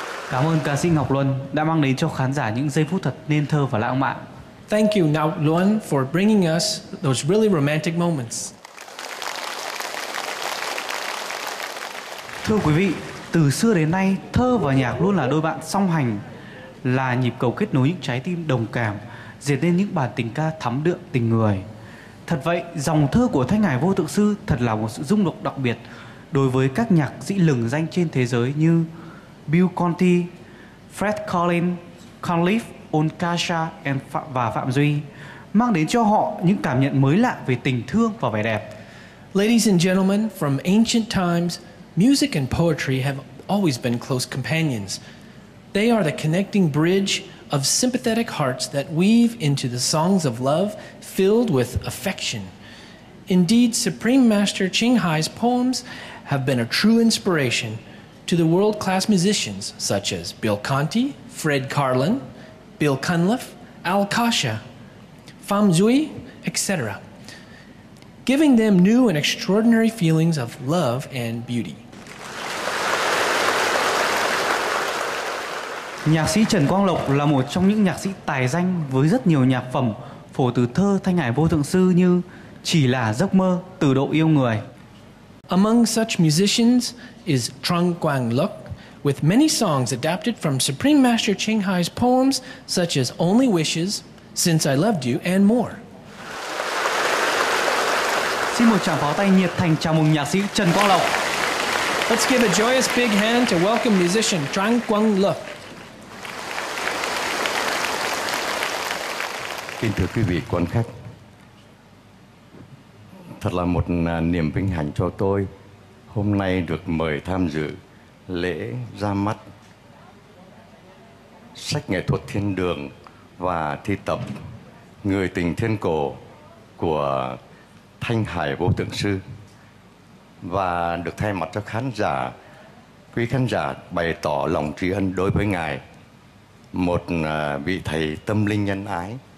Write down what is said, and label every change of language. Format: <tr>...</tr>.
<vi>Cảm ơn ca sĩ Ngọc Luân đã mang đến cho khán giả những giây phút thật nên thơ và lãng mạn.</vi> <en>Thank you, Ngọc Luân, for bringing us those really romantic moments.</en> <vi>Thưa quý vị, từ xưa đến nay, thơ và nhạc luôn là đôi bạn song hành, là nhịp cầu kết nối những trái tim đồng cảm, dệt nên những bản tình ca thắm đượm tình người. Thật vậy, dòng thơ của Thanh Hải Vô Thượng Sư thật là một sự rung động đặc biệt đối với các nhạc sĩ lừng danh trên thế giới như Bill Conti, Fred Collin, Conliff, Onkasha và Phạm Duy, mang đến cho họ những cảm nhận mới lạ về tình thương và vẻ đẹp.</vi> <en>Ladies and gentlemen, from ancient times, music and poetry have always been close companions. They are the connecting bridge of sympathetic hearts that weave into the songs of love filled with affection. Indeed, Supreme Master Ching Hai's poems have been a true inspiration to the world-class musicians such as Bill Conti, Fred Carlin, Bill Cunliffe, Al Kasha, Pham Duy, etc., giving them new and extraordinary feelings of love and beauty.</en> <vi>Nhạc sĩ Trần Quang Lộc là một trong những nhạc sĩ tài danh với rất nhiều nhạc phẩm phổ từ thơ Thanh Hải Vô Thượng Sư như Chỉ Là Giấc Mơ, Từ Độ Yêu Người.</vi> <en>Among such musicians is Trần Quang Lộc, with many songs adapted from Supreme Master Ching Hai's poems such as Only Wishes, Since I Loved You, and more.</en> <vi>Xin một tràng pháo tay nhiệt thành chào mừng nhạc sĩ Trần Quang Lộc.</vi> <en>Let's give a joyous big hand to welcome musician Trần Quang Lộc.</en> <vi>Kính thưa quý vị quan khách, thật là một niềm vinh hạnh cho tôi hôm nay được mời tham dự lễ ra mắt sách nghệ thuật Thiên Đường và thi tập Người Tình Thiên Cổ của Thanh Hải Vô Thượng Sư, và được thay mặt cho khán giả, quý khán giả bày tỏ lòng tri ân đối với Ngài, một vị thầy tâm linh nhân ái.</vi>